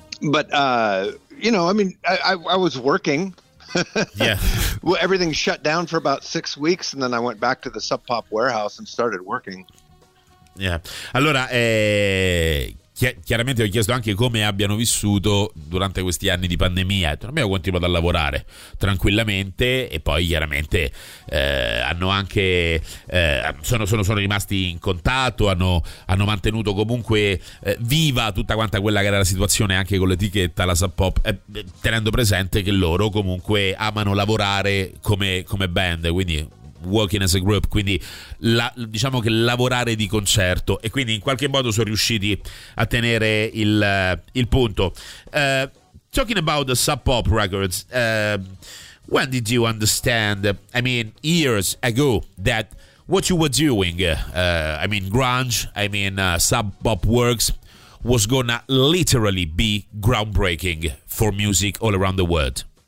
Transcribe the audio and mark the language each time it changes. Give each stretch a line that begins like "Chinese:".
English: But you know, I mean, I was working. Yeah. Well, everything shut down for about 6 weeks, and then I went back to the Sub Pop warehouse and started working. Yeah.
Italian: Allora, chiaramente ho chiesto anche come abbiano vissuto durante questi anni di pandemia. Abbiamo continuato a lavorare tranquillamente, e poi chiaramente hanno anche sono rimasti in contatto, hanno mantenuto comunque viva tutta quanta quella che era la situazione anche con l'etichetta, la Sub Pop, tenendo presente che loro comunque amano lavorare come band, quindi
English: working as a group,
Italian: quindi diciamo che lavorare di concerto, e quindi in qualche modo sono riusciti a tenere il punto.
English: Talking about the Sub Pop records, when did you understand, I mean years ago, that what you were doing, I mean grunge, I mean Sub Pop works, was gonna literally be groundbreaking for music all around the world?